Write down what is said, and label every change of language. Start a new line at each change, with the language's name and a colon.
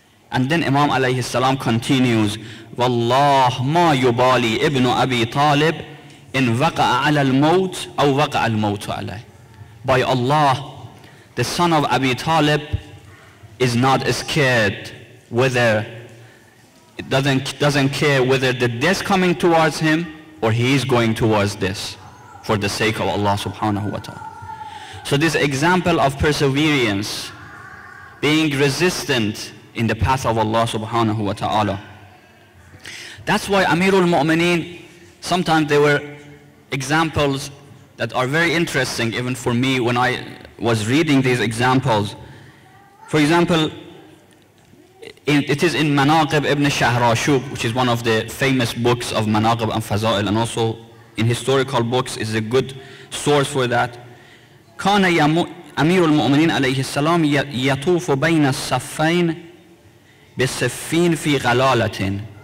English: And then Imam alayhi salam continues,
Arabic: والله ما يبالي ابن أبي طالب إن وقع على الموت أو وقع الموت عليه.
English: By Allah, the son of Abi Talib is not scared whether, doesn't care whether the death coming towards him or he is going towards this, for the sake of Allah subhanahu wa ta'ala. So this example of perseverance, being resistant in the path of Allah subhanahu wa ta'ala. That's why Amirul Mu'mineen, sometimes there were examples that are very interesting even for me when I was reading these examples. For example, it is in Manaqib ibn Shahrashub, which is one of the famous books of Manaqib and Fazail, and also in historical books is a good source for that.
Arabic: كان أمير المؤمنين عليه السلام يطوف بين الصفين بالصفين في غلالة.